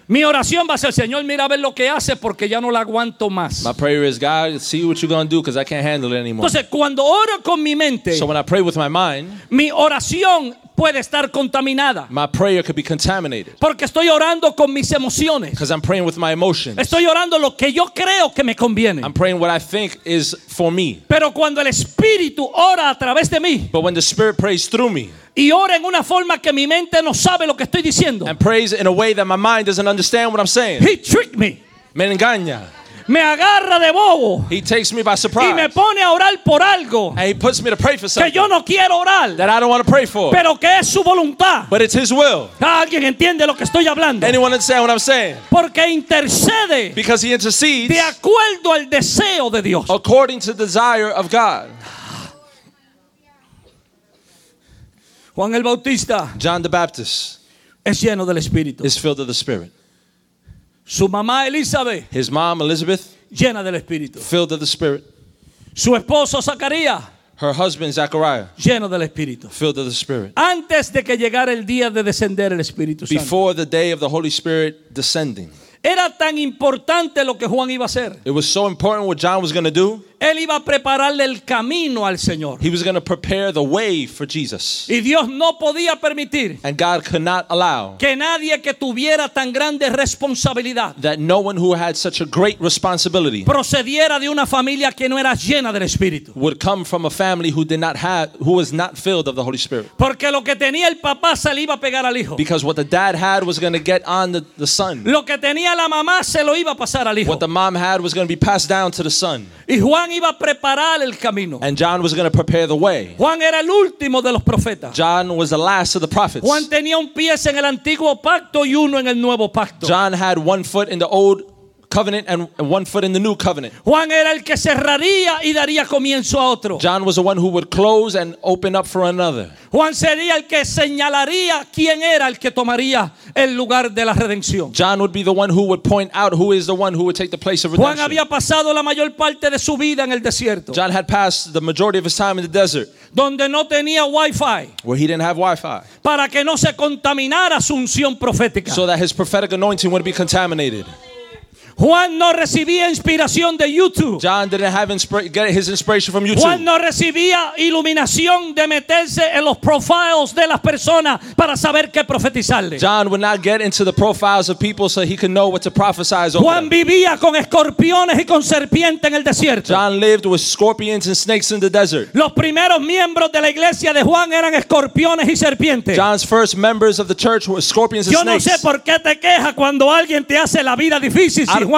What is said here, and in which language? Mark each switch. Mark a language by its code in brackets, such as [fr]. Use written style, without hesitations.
[es] Mi oración va a ser, Señor, mira a ver lo que hace porque ya no la aguanto más. [en] My prayer is, God, see what you're going to do because I can't handle it anymore. [es] Entonces, cuando oro con mi mente, [en] so when I pray with my mind, [es] mi oración puede estar contaminada. [en] My prayer could be contaminated. [es] Porque estoy orando con mis emociones. [en] Because I'm praying with my emotions. [es] Estoy orando lo que yo creo que me conviene. [en] I'm praying what I think is for me. [es] Pero cuando el Espíritu ora a través de mí, [en] but when the Spirit prays through me, [es] y ora en una forma que mi mente no sabe lo que estoy diciendo, [en] and prays in a way that my mind doesn't understand what I'm saying, he tricked me. [es] Me engaña. Me agarra de bobo. [en] He takes me by surprise. [es] Y me pone a orar por algo. [en] And he puts me to pray for something. [es] Que yo no quiero orar. [en] That I don't want to pray for. [es] Pero que es su voluntad. [en] But it's his will. [es] ¿Alguien entiende lo que estoy hablando? [en] Anyone understand what I'm saying? [es] Porque intercede. [en] Because he intercedes. [es] De acuerdo al deseo de Dios. [en] According to the desire of God. [es] Juan el Bautista. [en] John the Baptist. [es] Es lleno del Espíritu. [en] Is filled with the Spirit. [es] Su mamá Elizabeth, [en] his mom Elizabeth, [es] llena del Espíritu, [en] filled of the Spirit. [es] Su esposo Zacarías, [en] her husband Zachariah, [es] lleno del Espíritu, [en] filled of the Spirit. [es] Antes de que llegara el día de descender el Espíritu Santo, [en] before the day of the Holy Spirit descending, [es] era tan importante lo que Juan iba a hacer. [en] It was so important what John was going to do. [es] Él iba a prepararle el camino al Señor. [en] He was going to prepare the way for Jesus. [es] Y Dios no podía permitir, [en] and God could not allow, [es] que nadie que tuviera tan grande responsabilidad, [en] that no one who had such a great responsibility, [es] procediera de una familia que no era llena del Espíritu, [en] would come from a family who did not have, who was not filled of the Holy Spirit. [es] Porque lo que tenía el papá se le iba a pegar al hijo. [en] Because what the dad had was going to get on the son. [es] Lo que tenía la mamá se lo iba a pasar al hijo. [en] What the mom had was going to be passed down to the son. [es] Y Juan iba a preparar el camino. [en] And John was going to prepare the way. [es] Juan era el último de los profetas. [en] John was the last of the prophets. [es] Juan tenía un pie en el antiguo pacto y uno en el nuevo pacto. [en] John had one foot in the old covenant and one foot in the new covenant. [es] Juan era el que cerraría y daría comienzo a otro. [en] John was the one who would close and open up for another. [es] Juan sería el que señalaría quién era el que tomaría el lugar de la redención. [en] John would be the one who would point out who is the one who would take the place of redemption. [es] Juan había pasado la mayor parte de su vida en el desierto. [en] John had passed the majority of his time in the desert. [es] Donde no tenía Wi-Fi. [en] Where he didn't have Wi-Fi. [es] Para que no se contaminara su unción profética. [en] So that his prophetic anointing wouldn't be contaminated. [es] Juan no recibía inspiración de YouTube. [en] John didn't have get his inspiration from YouTube. [es] Juan no recibía iluminación de meterse en los profiles de las personas para saber qué profetizarle. [en] John would not get into the profiles of people so he could know what to prophesy over. [es] Juan vivía con escorpiones y con serpientes en el desierto. [en] John lived with scorpions and snakes in the desert. [es] Los primeros miembros de la iglesia de Juan eran escorpiones y serpientes. [en] John's first members of the church were scorpions and [es] yo [en] snakes. [es] Yo no sé por qué te quejas cuando alguien te hace la vida difícil.